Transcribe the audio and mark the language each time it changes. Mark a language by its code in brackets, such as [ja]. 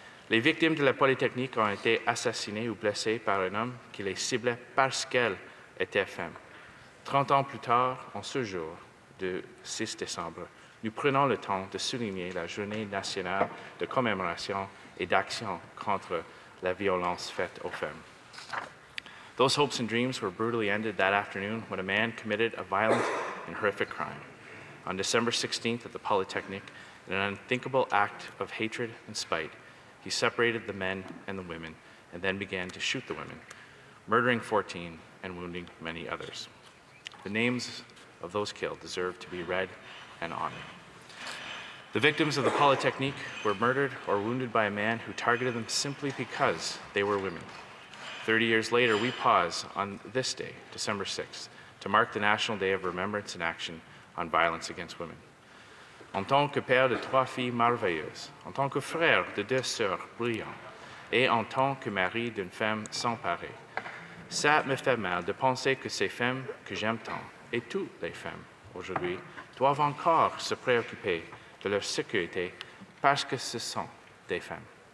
[fr] Les victimes de la Polytechnique ont été assassinées ou blessées par un homme qui les ciblait parce qu'elles étaient femmes. 30 ans plus tard, en ce jour du 6 décembre, nous prenons le temps de souligner la Journée nationale de commémoration et d'action contre la violence faite aux femmes. [en] Those hopes and dreams were brutally ended that afternoon when a man committed a violent and horrific crime. On December 16th at the Polytechnique, in an unthinkable act of hatred and spite, he separated the men and the women and then began to shoot the women, murdering 14 and wounding many others. The names of those killed deserve to be read and honored. The victims of the Polytechnique were murdered or wounded by a man who targeted them simply because they were women. 30 years later, we pause on this day, December 6th, to mark the National Day of Remembrance and Action on Violence Against Women. [fr] En tant que père de trois filles merveilleuses, en tant que frère de deux sœurs brillantes, et en tant que mari d'une femme sans pareil, ça me fait mal de penser que ces femmes que j'aime tant, et toutes les femmes aujourd'hui, doivent encore se préoccuper de leur sécurité parce que ce sont des femmes.